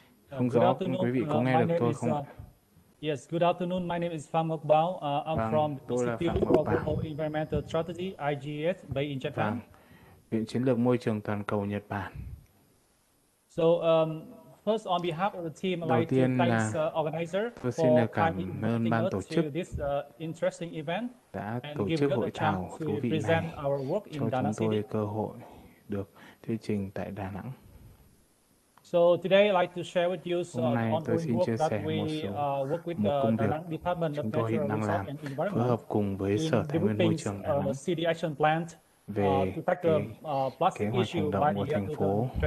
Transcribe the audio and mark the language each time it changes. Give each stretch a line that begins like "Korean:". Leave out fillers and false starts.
Vietnamese: Không rõ quý vị có nghe được tôi không?
English: Yes, good afternoon. My name is Phan Ngoc Bao. I'm from Institute of Environmental Strategy, IGES, based in Japan.
Vietnamese: Vâng, Viện Chiến lược Môi trường Toàn cầu Nhật Bản.
English: So, first, on behalf of the team, I'd like to thank the organizer for inviting us to this interesting event and giving us a chance to present our work in Đà Nẵng City.
Vietnamese: Được thuyết trình tại Đà Nẵng.
English: So today I'd like to share with you some ongoing work that we work with the Đà Nẵng Department of Natural Resources and Environment.
Vietnamese: Phối hợp cùng với Sở Tài nguyên Môi trường Đà Nẵng
English: City Action Plan
Vietnamese: về kế hoạch hành động của thành phố